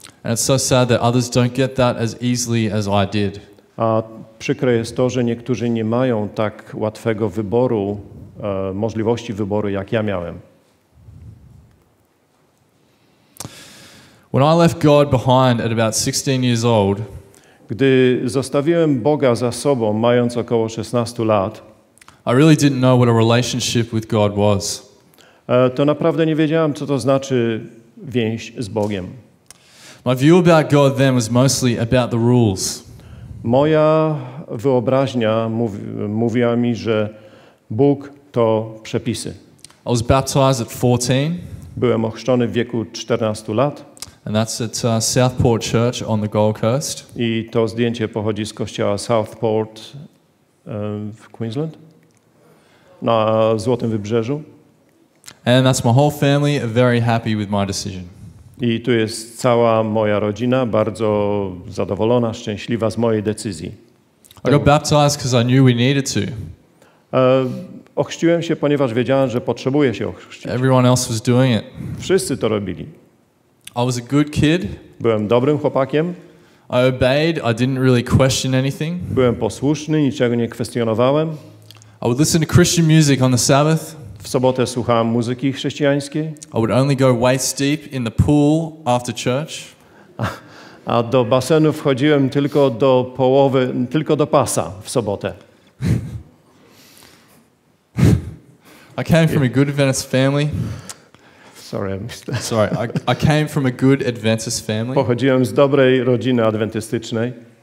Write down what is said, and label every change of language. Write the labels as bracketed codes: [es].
[en] And it's so sad that others don't get that as easily as I did. [pl] A przykre jest to, że niektórzy nie mają tak łatwego wyboru, możliwości wyboru, jak ja miałem. [en] When I left God behind at about 16 years old, [pl] gdy zostawiłem Boga za sobą, mając około 16 lat, [en] I really didn't know what a relationship with God was. [pl] To naprawdę nie wiedziałem, co to znaczy więź z Bogiem. [en] My view about God then was mostly about the rules. [pl] Moja wyobraźnia mówiła mi, że Bóg to przepisy. [en] I was baptized at 14. [pl] Byłem ochrzczony w wieku 14 lat. [en] And that's at Southport Church on the Gold Coast. [pl] I to zdjęcie pochodzi z kościoła Southport w Queensland, na Złotym Wybrzeżu. [en] And that's my whole family very happy with my decision. [pl] I tu jest cała moja rodzina, bardzo zadowolona, szczęśliwa z mojej decyzji. [en] I got baptized because I knew we needed to. [pl] Ochrzciłem się, ponieważ wiedziałem, że potrzebuję się ochrzcić. [en] Everyone else was doing it. [pl] Wszyscy to robili. [en] I was a good kid. [pl] Byłem dobrym chłopakiem. [en] I obeyed, I didn't really question anything. [pl] Byłem posłuszny, niczego nie kwestionowałem. [en] I would listen to Christian music on the Sabbath. [pl] W sobotę słuchałem muzyki chrześcijańskiej. [en] I would only go waist deep in the pool after church. [pl] A do basenu wchodziłem tylko do połowy, tylko do pasa w sobotę. [en] I came from a good Adventist family. Sorry, I came from a good Adventist family. [pl] Pochodziłem z dobrej rodziny adwentystycznej.